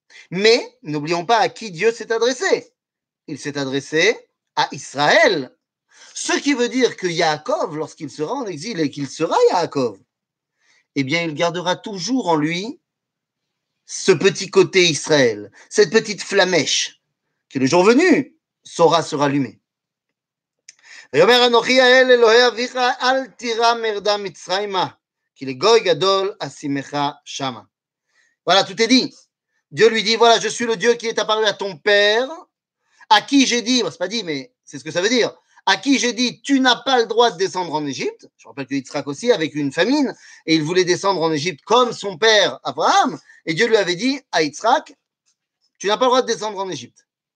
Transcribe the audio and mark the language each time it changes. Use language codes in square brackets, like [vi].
[fr] Mais n'oublions pas à qui Dieu s'est adressé. Il s'est adressé à Israël. Ce qui veut dire que Yaakov, lorsqu'il sera en exil et qu'il sera Yaakov, eh bien, il gardera toujours en lui ce petit côté Israël, cette petite flamèche qui, le jour venu, saura se rallumer. [he] ויאמר אנוכי האל אלוהי אביך אל תירא מרדה מצרימה כי לגוי גדול אשימך שמה. [fr] Voilà, tout est dit. Dieu lui dit, voilà, je suis le Dieu qui est apparu à ton père, à qui j'ai dit, bon, c'est pas dit, mais c'est ce que ça veut dire, à qui j'ai dit, tu n'as pas le droit de descendre en Égypte. Je rappelle que Yitzhak aussi a vécu une famine et il voulait descendre en Égypte comme son père Abraham. Et Dieu lui avait dit à Yitzhak, tu n'as pas le droit de descendre en Égypte.